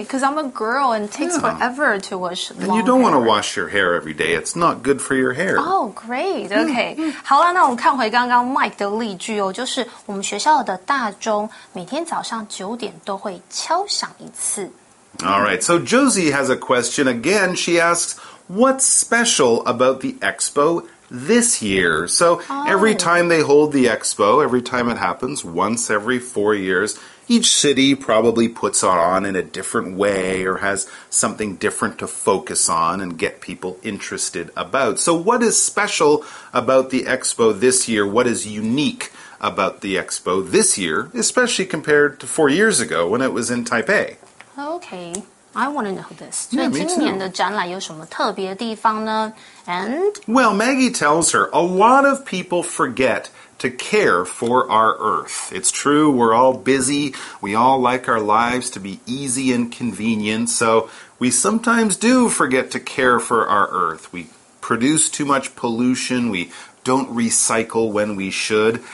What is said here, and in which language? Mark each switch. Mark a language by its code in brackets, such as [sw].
[en] Because I'm a girl and it takes forever to wash. And you don't want to wash your hair every day. It's not good for your hair. Oh, great. Okay. [zh] 好啦，那我们看回刚刚 Mike 的例句哦，就是我们学校的大钟每天早上9点都会敲响一次。 [en] All right. So Josie has a question again. She asks, "What's special about the expo?" This year. So every time they hold the expo, every time it happens, once every 4 years, each city probably puts it on in a different way or has something different to focus on and get people interested about. So what is special about the expo this year? What is unique about the expo this year, especially compared to 4 years ago when it was in Taipei? Okay. I want to know this. [zh] So, 今年的展览有什么特别的地方呢? [en] And? Well, Maggie tells her, a lot of people forget to care for our Earth. It's true, we're all busy. We all like our lives to be easy and convenient. So, we sometimes do forget to care for our Earth. We produce too much pollution. We don't recycle when we should.